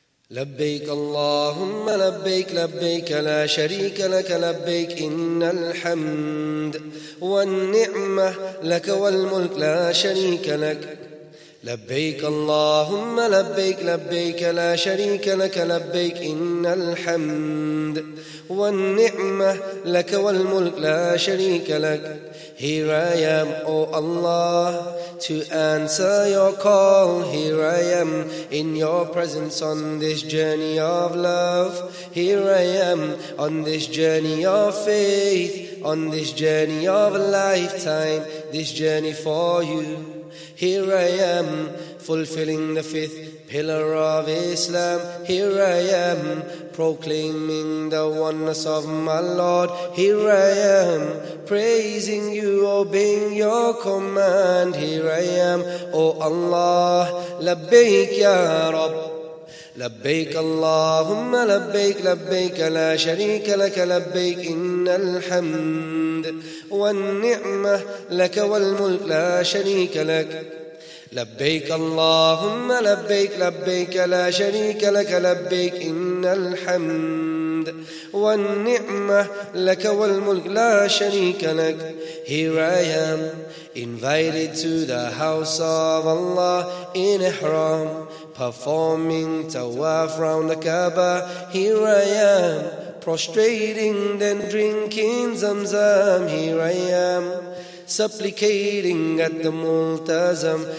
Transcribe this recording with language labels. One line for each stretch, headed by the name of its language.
Arabic: لبيك اللهم لبيك لبيك لا شريك لك لبيك إن الحمد والنعمة لك والملك لا شريك لك لبيك اللهم لبيك لبيك لا شريك لك لبيك إن الحمد والنعمة لك والملك لا شريك لك.
English: Here I am, O Allah, to answer your call. Here I am in your presence on this journey of love. Here I am on this journey of faith, on this journey of a lifetime, this journey for you. Here I am, fulfilling the fifth pillar of Islam. Here I am, proclaiming the oneness of my Lord. Here I am, praising you, obeying your command. Here I am, O Allah,
Arabic: labbaik ya Rabb. لبيك اللهم لبيك لبيك لا شريك لك لبيك إن الحمد والنعمة لك والملك لا شريك لك. لبيك اللهم لبيك لبيك لا شريك لك لبيك إن الحمد والنعمة لك والملك لا شريك لك.
English: Here I am, invited to the house of Allah in Ihram, performing tawaf round the Kaaba. Here I am, prostrating then drinking zamzam. Here I am, supplicating at the multazam.